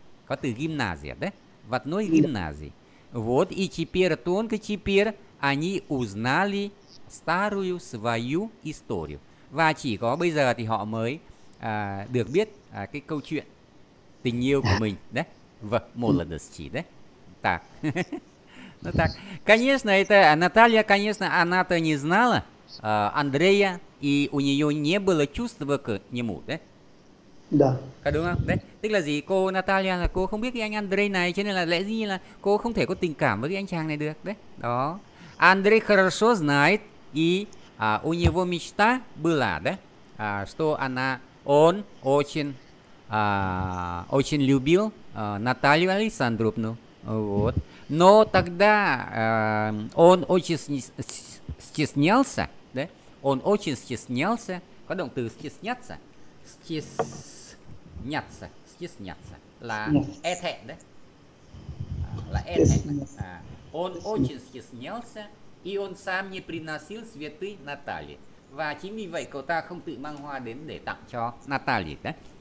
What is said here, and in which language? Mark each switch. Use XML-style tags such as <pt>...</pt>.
<ru>Вот и гимназия, да? В одной гимназии. Вот, и теперь они узнали старую свою историю.</ru> <vi>Và chỉ có bây giờ thì họ mới được biết cái câu chuyện tình yêu của mình, да? Вот, một lần nữa chỉ, да?</vi> <ru>Так. Ну так, конечно, это Наталья, конечно, она-то не знала Андрея, и у нее не было чувства к нему, да? Да.</ru> <vi>Có đúng không? Đấy. Tức là gì? Cô Natalia là cô không biết cái anh Andrei này, cho nên là lẽ dĩ nhiên là cô không thể có tình cảm với cái anh chàng này được. Đấy. Đó.</vi> <ru>Андрей хорошо знает, и у него мечта была, да? Что она, он очень, очень любил Наталью Александровну. Вот. Но тогда он очень стеснялся, да? Он очень стеснялся.</ru> <vi>Có động từ стесняться. Стесняться là e thẹn đấy, là e thẹn.</vi> <ru>Он очень стеснялся, и он сам не приносил цветы Наталье.</ru> <vi>Và chính vì vậy cậu ta không tự mang hoa đến để tặng cho Наталье, да?</vi>